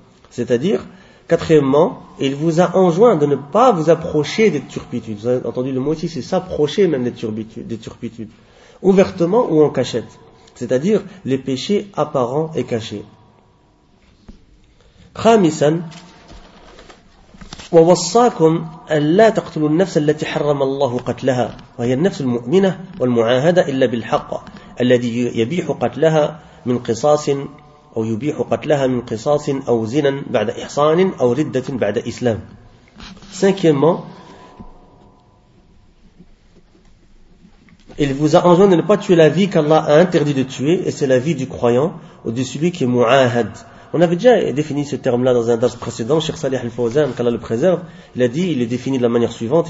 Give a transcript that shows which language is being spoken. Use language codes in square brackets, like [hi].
[fr] C'est-à-dire, quatrièmement, il vous a enjoint de ne pas vous approcher des turpitudes. Vous avez entendu le mot ici, c'est s'approcher même des turpitudes. Ouvertement ou en cachette. C'est-à-dire, les péchés apparents et cachés. [ar] Khamisan. ووصاكم أن لا تقتلوا النفس التي حرم الله قتلها وهي النفس المؤمنة والمعاهدة إلا بالحق الذي يبيح قتلها من قصاص أو يبيح قتلها من قصاص أو زنا بعد إحصان أو ردة بعد إسلام. [fr] Cinquièmement, il vous a enjoint de ne pas tuer la vie qu'Allah a interdit de tuer, et c'est la vie du croyant ou de celui qui est mu'ahad. On avait déjà défini ce terme-là dans un dars précédent. Cheikh Salih Al-Fawzan, qu'Allah le préserve, il a dit, il est défini de la manière suivante.